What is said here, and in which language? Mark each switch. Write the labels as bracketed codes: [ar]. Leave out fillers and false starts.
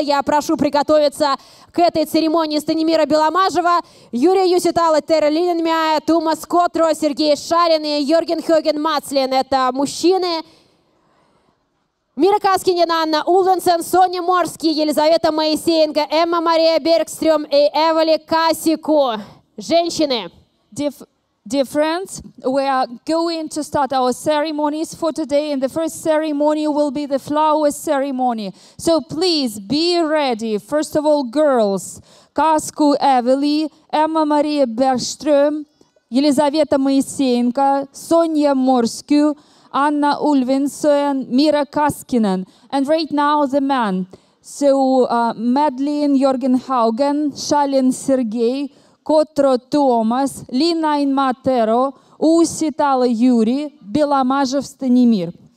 [ru] Я прошу приготовиться к этой церемонии Станимира Беломажева, Юрия Юситала, Тера Лилинмяя, Тумас Котро, Сергей Шарин и Йорген Хёген Мацлин. Это мужчины. Мира Каскинен, Анна Улленсен, Соня Морский, Елизавета Моисеенко, Эмма Мария Бергстрём и Эвали Касику. Женщины. [en] Dear friends, we are going to start our ceremonies for today, and the first ceremony will be the flower ceremony. So please be ready. First of all, girls, Каску Эвели, Эмма Мария Бергстрём, Елизавета Моисеенко, Соня Морскую, Анна Ульвинсен, Мира Каскинен. And right now, the men. So, Madeline Jorgen Haugen, Шалин Сергей, Котро Томас, Линайн Матеро, Уситала Юри, Беломажев Станимир.